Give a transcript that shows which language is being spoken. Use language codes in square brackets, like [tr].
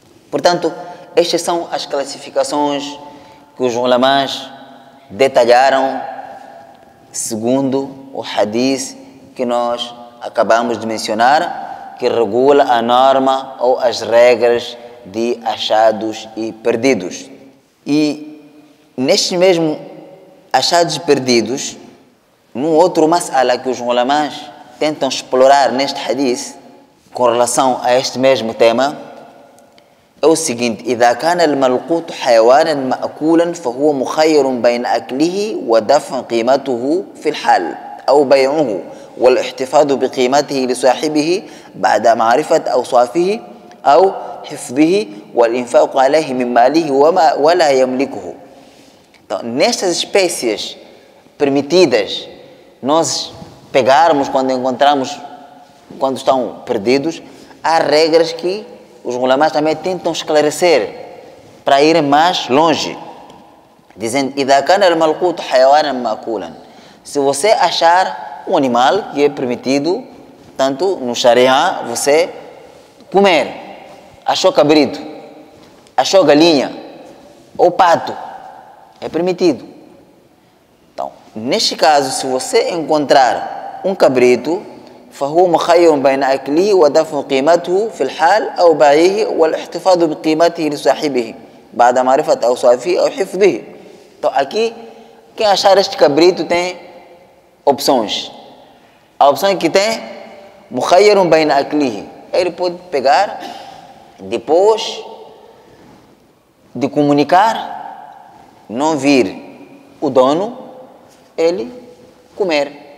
[pt] Portanto, estas são as classificações que os ulamãs detalharam segundo o hadith que nós acabamos de mencionar, que regula a norma ou as regras de achados e perdidos. E neste mesmo achados e perdidos, num outro mas'ala que os ulamãs tentam explorar neste hadith, com relação a este mesmo tema, é o seguinte: [ar] إِذَا كَانَ الْمَلْقُوتُ حَيَوَانًا مَأْكُولًا فَهُوَ مُخَيَّرٌ بَيْنَ أَكْلِهِ وَدَفْعِ قِيمَتُهُ فِي الْحَالِ أَوْ بَيْعُهُ وَالْإِحْتِفَاظُ بِقِيمَتِهِ لِصَاحِبِهِ بَعْدَ مَعْرِفَةِ أَوْصَافِهِ أَوْ حِفْظِهِ وَالْإِنْفَاقُ عَلَيْهِ مِنْ مَالِهِ وَمَا وَلَا يَمْلِكُهُ. [pt] Então, nestas espécies permitidas nós pegarmos quando encontramos, quando estão perdidos, há regras que os ulamás também tentam esclarecer para ir mais longe, dizendo: [ar] إِذَا كَانَ الْمَلْقُوتُ حَيَوَانًا مَأْكُولًا. [pt] Se você achar um animal que é permitido, tanto no Sharia, você comer, achou cabrito, achou galinha ou pato, é permitido. Então, neste caso, se você encontrar um cabrito, [ar] فهو مخير بين أكله ودفع قيمته في الحال أو بيعه والاحتفاظ بقيمته لصاحبه بعد معرفة أوصافه أو حفظه. [pt] Então, aqui, quem achar este cabrito tem opções. A opção que tem, [ar] مخير بين أكله. [pt] Ele pode pegar depois de comunicar, não vir o dono, ele comer.